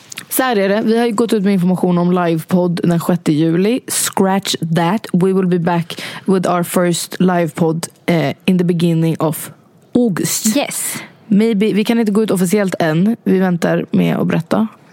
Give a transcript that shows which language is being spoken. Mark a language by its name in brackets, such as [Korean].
[Swedish] Så här är det, vi har ju gått ut med information om livepodd den 6 juli. [English] Scratch that, we will be back with our first livepodd in the beginning of August. Yes. [Swedish] Maybe, vi kan inte gå ut officiellt än, vi väntar med att berätta.